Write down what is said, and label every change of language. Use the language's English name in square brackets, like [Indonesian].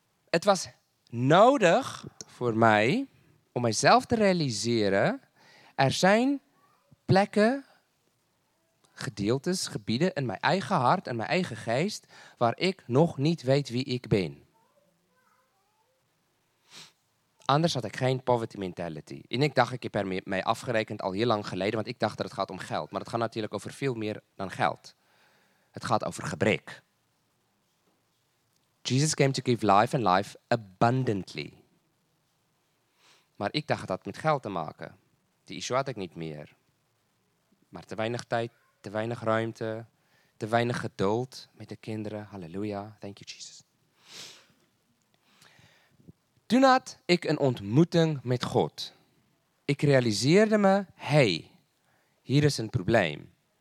[Dutch] Het was nodig voor mij om mijzelf te realiseren, er zijn plekken, gedeeltes, gebieden in mijn eigen hart en mijn eigen geest waar ik nog niet weet wie ik ben. Anders had ik geen poverty mentality. En ik dacht, ik heb ermee afgerekend al heel lang geleden, want ik dacht dat het gaat om geld. Maar het gaat natuurlijk over veel meer dan geld. Het gaat over gebrek. [English] Jesus came to give life and life abundantly. [Dutch] Maar ik dacht dat het met geld te maken. Die issue had ik niet meer. Maar te weinig tijd, te weinig ruimte, te weinig geduld met de kinderen. [English] Halleluja, thank you Jesus. [Dutch] Toen had ik een ontmoeting met God. Ik realiseerde me, hey, hier is een probleem.